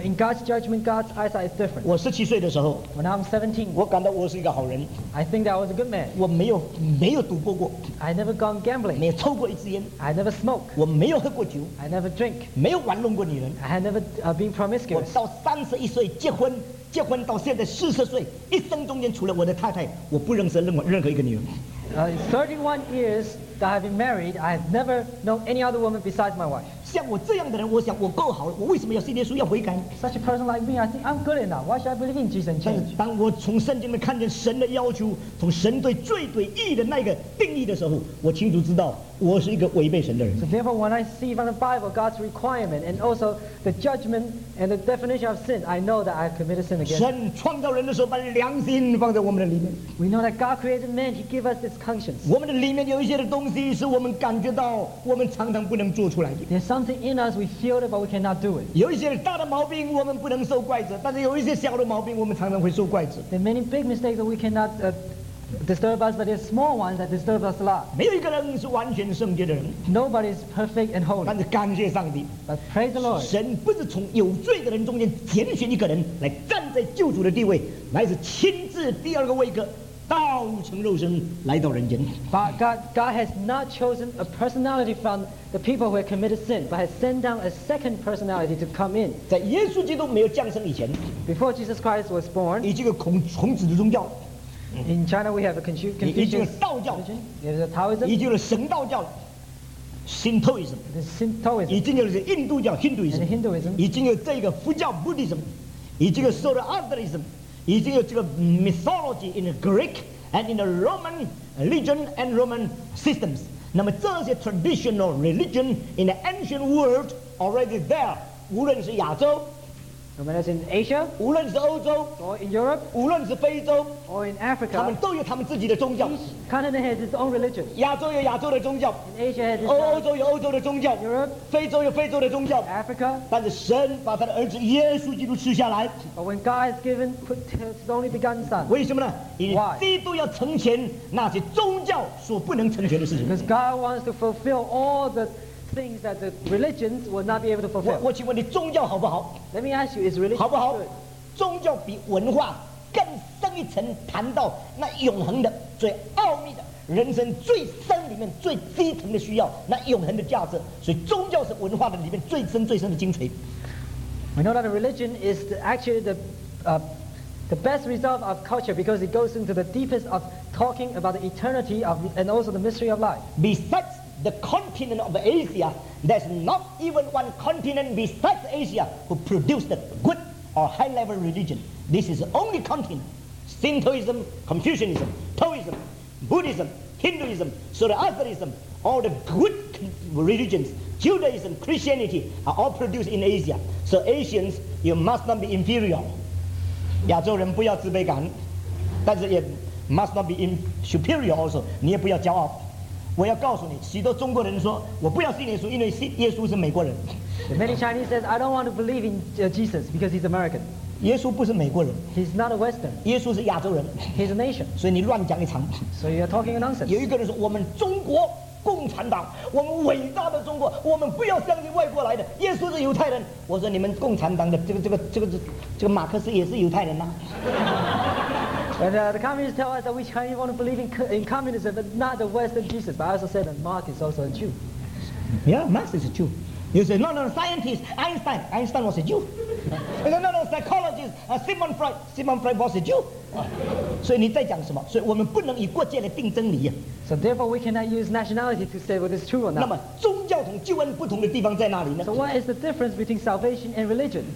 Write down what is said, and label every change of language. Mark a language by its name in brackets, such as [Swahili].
[English] But in God's judgment, God's eyesight is different. [Chinese] 我十七岁的时候 [English] ，When I'm 17, [Chinese] 我感到我是一个好人。 [English] I think that I was a good man. [Chinese] 我没有赌博过。 [English] I never gone gambling. [Chinese] 没有抽过一支烟。 [English] I never smoke. [Chinese] 我没有喝过酒。 [English] I never drink. [Chinese] 没有玩弄过女人。 [English] I had never been promiscuous. [Chinese] 我到31岁结婚到现在40岁，一生中间除了我的太太，我不认识任何一个女人。 [English] 31 years that I've been married, I have never known any other woman besides my wife. [Chinese] 像我这样的人，我想我够好了，我为什么要信耶稣要悔改 [English] ？Such a person like me, I think I'm good enough. Why should I believe in Jesus and change? [Chinese] 但是当我从圣经里看见神的要求，从神对罪对义的那个定义的时候，我清楚知道我是一个违背神的人。 [English] So therefore, when I see from the Bible God's requirement and also the judgment and the definition of sin, I know that I have committed sin again. [Chinese] 神创造人的时候把良心放在我们的里面。 [English] We know that God created man, He gave us this conscience. [Chinese] 我们的里面有一些的东西是我们感觉到我们常常不能做出来的。 [English] Something in us, we feel it, but we cannot do it. [Chinese] 有一些大的毛病，我们不能受怪责；但是有一些小的毛病，我们常常会受怪责。 [English] There are many big mistakes that we cannot disturb us, but there are small ones that disturb us a lot. [Chinese] 没有一个人是完全圣洁的人。 [English] Nobody is perfect and holy. [Chinese] 但是感谢上帝。 [English] But praise the Lord. [Chinese] 神不是从有罪的人中间拣选一个人来站在救主的地位，乃是亲自第二个位格。道成肉身来到人间。 [English] But God has not chosen a personality from the people who have committed sin, but has sent down a second personality to come in. [Chinese] 在耶稣基督没有降生以前 [English] ，Before Jesus Christ was born， [Chinese] 以这个孔子的宗教 [English] ，In China we have a Confucian， [Chinese] 以这个道教 [English] ，There's a Taoism， [Chinese] 以这个神道教 ，Shintoism，这是 Shintoism，已经有这印度教 Hinduism， [English] and Hinduism， [Chinese] 已经有这个佛教 Buddhism， 以这个 Zoroastrianism。已经有这个 [English] mythology in the Greek and in the Roman religion and Roman systems. [Chinese] 那么这些 [English] traditional religion in the ancient world already there. [Chinese] 无论是亚洲 [English] ，no matter in Asia， [Chinese] 无论是欧洲 [English] ，or in Europe， [Chinese] 无论是非洲 [English] ，or in Africa， [Chinese] 他们都有他们自己的宗教。 [English] Each continent has its own religion. [Chinese] 亚洲有亚洲的宗教 [English] ，in Asia has its own. [Chinese] 欧洲有欧洲的宗教 [English] ，Europe， [Chinese] 非洲有非洲的宗教 [English] ，Africa。 [Chinese] 但是神把他的儿子耶稣基督赐下来。 [English] But when God has given His only begotten Son， [Chinese] 为什么呢？因为基督要成全那些宗教所不能成全的事情。 [English] Because God wants to fulfill all the things that the religions will not be able to fulfill. [Chinese] 我请问你，宗教好不好 [English] ？Let me ask you, is religion [Chinese] 好不好？ [English] Good? [Chinese] 宗教比文化更深一层，谈到那永恒的、最奥秘的人生最深里面最基层的需要，那永恒的价值。所以，宗教是文化的里面最深、最深的精髓。 [English] We know that religion is the best result of culture because it goes into the deepest of talking about the eternity of and also the mystery of life. Besides. The continent of Asia, there's not even one continent besides Asia who produced a good or high-level religion. This is the only continent. Shintoism, Confucianism, Taoism, Buddhism, Hinduism, Zoroastrianism, all the good religions, Judaism, Christianity, are all produced in Asia. So Asians, you must not be inferior. [Chinese] 亚洲人不要自卑感，但是也 [English] must not be superior also. [Chinese] 你也不要骄傲。我要告诉你，许多中国人说我不要信耶稣，因为信耶稣是美国人。 [English] Many Chinese says I don't want to believe in Jesus because he's American. [Chinese] 耶稣不是美国人。 [English] He's not a Western. [Chinese] 耶稣是亚洲人。 [English] He's a nation. [Chinese] 所以你乱讲一场。 [English] So you're talking nonsense. [Chinese] 有一个人说我们中国共产党，我们伟大的中国，我们不要相信外国来的。耶稣是犹太人。我说你们共产党的这个马克思也是犹太人呐、啊。 [English] And the communists tell us that we Chinese want to believe in communism, but not the Western Jesus. But I also said that Marx is also a Jew. Yeah, Marx is a Jew. You say, no, scientist, Einstein was a Jew. You say, no, psychologist, Sigmund Freud was a Jew. [Chinese] 所以你在讲什么？所以我们不能以国界来定真理。 [English] So therefore, we cannot use nationality to say what is true or not. [Chinese] 那么宗教同救恩不同的地方在哪里呢 [English] ？So what is the difference between salvation and religion?